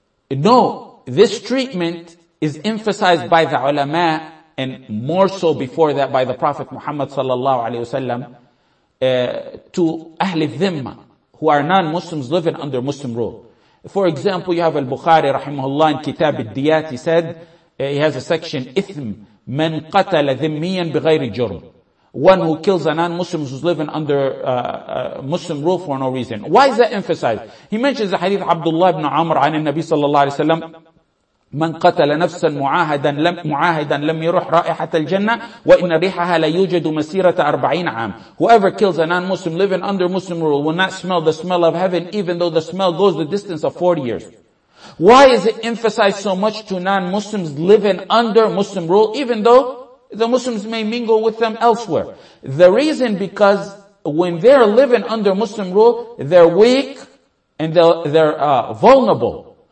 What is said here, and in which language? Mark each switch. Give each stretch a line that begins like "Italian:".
English: No, this treatment is emphasized by the ulama and more so before that by the Prophet Muhammad sallallahu alaihi wasallam to Ahli Dhimma, who are non-Muslims living under Muslim rule. For example, you have Al-Bukhari rahimahullah in Kitab al-Diyat, he has a section,
Arabic: Ithm, man qatala dhimmiyan bighayri jurm.
English: one who kills a non-Muslim who's living under Muslim rule for no reason. Why is that emphasized? He mentions the hadith
Arabic: Abdullah ibn Amr an Nabi sallallahu alayhi wa sallam, من قتل نفسا معاهدا لم يروح رائحة الجنة وإن ريحها لا يوجد مسيرة 40 عام.
English: Whoever kills a non-Muslim living under Muslim rule will not smell the smell of heaven even though the smell goes the distance of 40 years. Why is it emphasized so much to non-Muslims living under Muslim rule even though the Muslims may mingle with them elsewhere? The reason, because when they're living under Muslim rule, they're weak and they're vulnerable.